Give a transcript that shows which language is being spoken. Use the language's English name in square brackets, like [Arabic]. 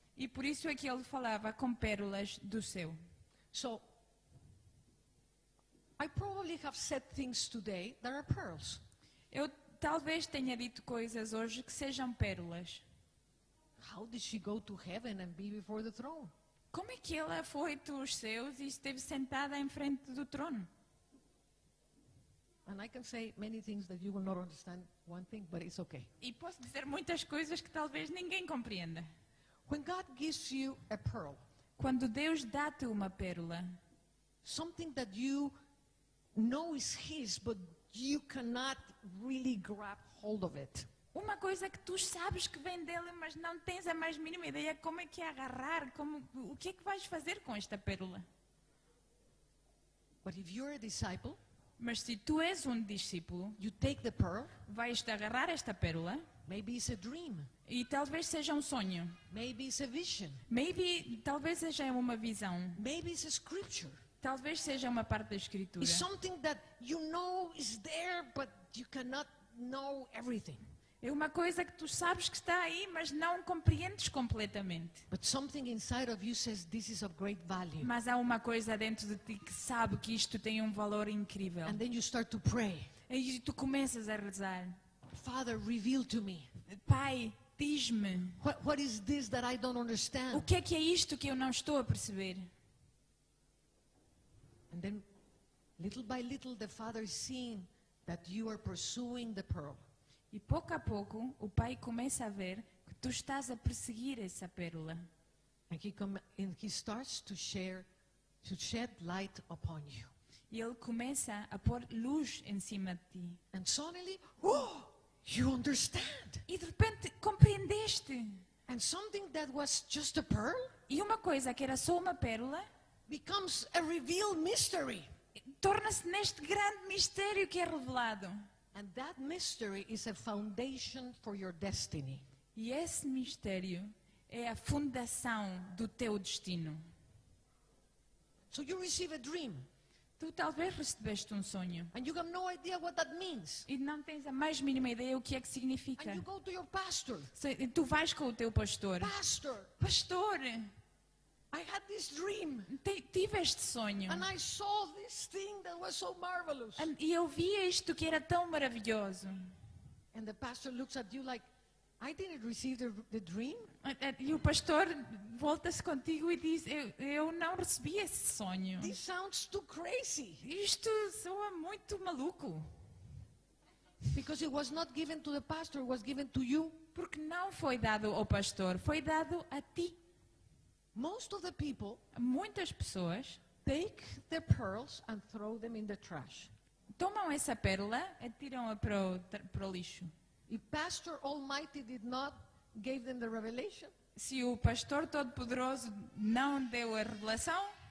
[Portuguese] E por isso é que ele falava com pérolas do céu. [English] So I probably have said things today that are pearls. [Portuguese] Eu talvez tenha dito coisas hoje que sejam pérolas. [English] How did she go to heaven and be before the throne? [Portuguese] Como é que ela foi dos céus e esteve sentada em frente do trono? [English] And I can say many things that you will not understand one thing, but it's okay. [Portuguese] E posso dizer muitas coisas que talvez ninguém compreenda. [English] When God gives you a pearl, [Portuguese] quando Deus dá-te uma pérola, [English] something that you know is his but you cannot really grab hold of it. [Portuguese] Uma coisa que tu sabes que vem dele, mas não tens a mais mínima ideia como é que é agarrar, o que é que vais fazer com esta pérola? [English] But if you're a disciple, [Portuguese] mas se tu és um discípulo, [English] you take the pearl, [Portuguese] vais agarrar esta pérola. [English] Maybe it's a dream. [Portuguese] E talvez seja um sonho. [English] Maybe it's a vision. [Portuguese] Maybe talvez seja uma visão. [English] Maybe it's a scripture. [Portuguese] Talvez seja uma parte da escritura. [English] It's something that you know is there, but you cannot know everything. [Portuguese] É uma coisa que tu sabes que está aí, mas não compreendes completamente. [English] But something inside of you says this is of great value. [Portuguese] Mas há uma coisa dentro de ti que sabe que isto tem um valor incrível. [English] And then you start to pray. [Portuguese] E tu começas a rezar. [English] Father, reveal to me. [Portuguese] Pai, diz-me. [English] What is this that I don't understand? [Portuguese] O que é isto que eu não estou a perceber? [English] And then, little by little, the Father is seeing that you are pursuing the pearl. [Portuguese] E pouco a pouco, o Pai começa a ver que tu estás a perseguir essa pérola. [English] And he starts to share, to shed light upon you. [Portuguese] E ele começa a pôr luz em cima de ti. [English] And suddenly, oh! You understand. [Portuguese] E de repente compreendeste. [English] And something that was just a pearl, [Portuguese] e uma coisa que era só uma pérola, [English] becomes a revealed mystery. [Portuguese] Torna-se neste grande mistério que é revelado. [English] And that mystery is a foundation for your destiny. [Portuguese] E esse mistério é a fundação do teu destino. [English] So you receive a dream. [Portuguese] Tu talvez recebeste sonho. [English] And you have no idea what that means. [Portuguese] E não tens a mais mínima ideia o que é que significa. [English] And you go to your pastor. [Portuguese] Tu vais com o teu pastor. [English] Pastor. [Portuguese] Pastor. [English] I had this dream. [Portuguese] Tive este sonho. [English] And I saw this thing that was so marvelous. [Portuguese] E eu vi isto que era tão maravilhoso. [English] And the pastor looks at you like, I didn't receive the dream. [Portuguese] E o pastor volta-se contigo e diz, eu não recebi esse sonho. [English] This sounds too crazy. [Portuguese] Isto soa muito maluco. [English] Because it was not given to the pastor, it was given to you. [Portuguese] Porque não foi dado ao pastor, foi dado a ti. [English] Most of the people, [Portuguese] muitas pessoas, [English] take their pearls and throw them in the trash. [Portuguese] Tomam essa pérola e tiram-a para o lixo. [English] If Pastor Almighty did not give them the revelation, [Portuguese] se o pastor todo-poderoso não deu a revelação,